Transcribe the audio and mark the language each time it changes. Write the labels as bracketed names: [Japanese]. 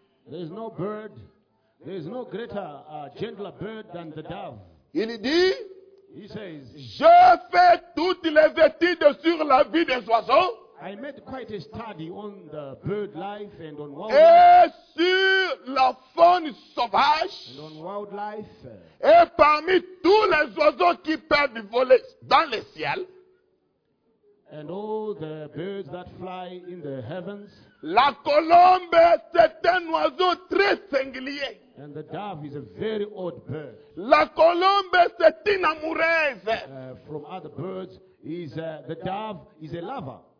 [English] There is no bird, there is no greater, gentler bird than the dove. [French] Il dit, [English] He says, [French] je fais toutes les études sur la vie des oiseaux. [English] I made quite a study on the bird life and on wildlife. [French] Et sur la faune sauvage. [English] And on wildlife. [French] Et parmi tous les oiseaux qui peuvent voler dans le ciel. [English] And all the birds that fly in the heavens. [French] La colombe, c'est un oiseau très singulier. [English] And the dove is a very odd bird. [French] La colombe, c'est une amoureuse. [English] From other birds, is the dove is a lover.